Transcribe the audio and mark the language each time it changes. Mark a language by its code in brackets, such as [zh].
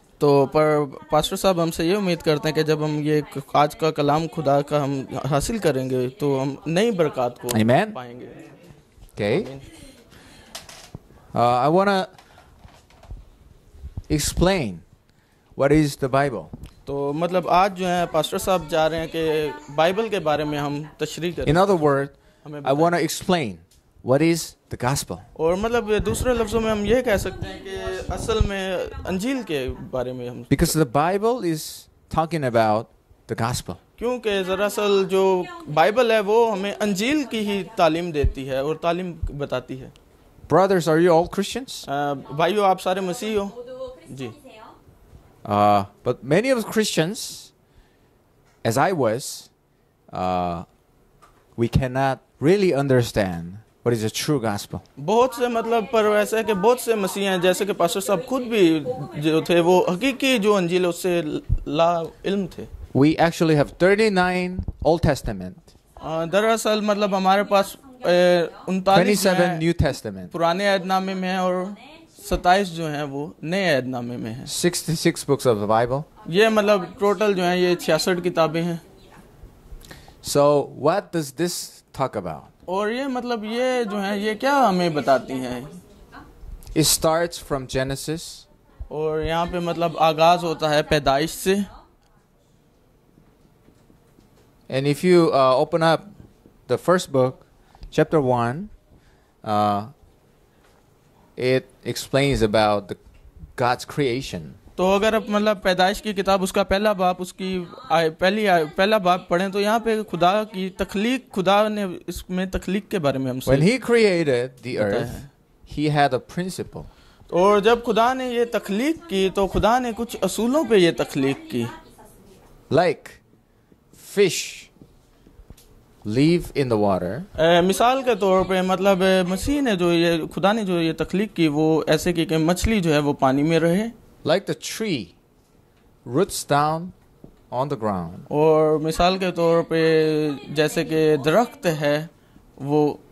[ur] تو پر پاسٹر صاحب ہم سے یہ امید کرتے ہیں کہ جب ہم یہ آج کا کلام خدا کا ہم حاصل کریں گے تو ہم نئی برکات کو [en] Amen. [ur] پائیں گے. [en] Okay. I wanna explain what is the Bible. [ur] تو مطلب آج جو ہیں پاسٹر صاحب جا رہے ہیں کہ بائبل کے بارے میں ہم تشریح کریں. [en] In other words, I wanna explain what is the gospel. [ur] اور مطلب دوسرے لفظوں میں ہم یہ کہہ سکتے ہیں کہ اصل میں انجیل کے بارے میں ہم [en] because the Bible is talking about the gospel. [ur] کیونکہ دراصل جو بائبل ہے وہ ہمیں انجیل کی ہی تعلیم دیتی ہے اور تعلیم بتاتی ہے. [en] Brothers, are you all Christians? [ur] بھائیو آپ سارے مسیحی ہو؟ جی. [en] But many of Christians, as I was, we cannot really understand what is the true gospel. [ur] بہت سے مطلب پر ویسا ہے کہ بہت سے مسیح ہیں جیسے کہ پاسٹر صاحب خود بھی جو تھے وہ حقیقی جو انجیل اس سے لا علم تھے. [en] We actually have 39 Old Testament. [ur] دراصل مطلب ہمارے پاس [en] 37 New Testament. [ur] پرانے عہد نامے میں ہیں اور 27 جو ہیں وہ نئے عہد نامے میں ہیں. [en] 66 books of the Bible. [ur] یہ مطلب ٹوٹل جو ہیں یہ 66 کتابیں ہیں. [en] So what does this talk about? [ur] اور یہ مطلب یہ جو ہیں یہ کیا ہمیں بتاتی ہیں؟ [en] It starts from Genesis. [ur] اور یہاں پہ مطلب آغاز ہوتا ہے پیدائش سے. [en] And if you open up the first book, chapter 1, it explains about God's creation. [ur] تو اگر آپ مطلب پیدائش کی کتاب اس کا پہلا باب اس کی پہلا باب پڑھیں تو یہاں پہ خدا کی تخلیق خدا نے اس میں تخلیق کے بارے میں ہم سے [en] When he created the earth, he had a principle. [ur] اور جب خدا نے یہ تخلیق کی تو خدا نے کچھ اصولوں پہ یہ تخلیق کی [en] Like fish live in the water. [ur] مثال کے طور پہ مطلب مسیح نے جو یہ خدا نے جو یہ تخلیق کی وہ ایسے کی کہ مچھلی جو ہے وہ پانی میں رہے [en] like the tree roots down on the ground. [ur] اور مثال کے طور پہ جیسے کہ درخت ہے وہ